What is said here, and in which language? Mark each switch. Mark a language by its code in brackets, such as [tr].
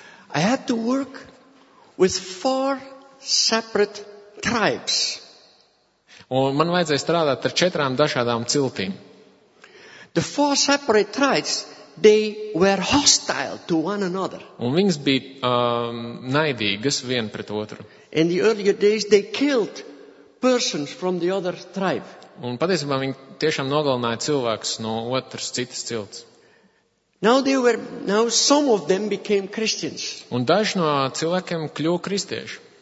[en] I had to work with four separate tribes. [lv] Un man vajadzēja strādāt ar četrām dažādām ciltīm. [en] The four separate tribes, they were hostile to one another. [lv] Un viņas bija naidīgas viena pret otru. [en] In the earlier days, they killed persons from the other tribe. [lv] Un patiesībā viņi tiešām nogalināja cilvēkus no otras citas cilts. [en] Now some of them became Christians. [lv] Un daži no cilvēkiem kļuva kristieši.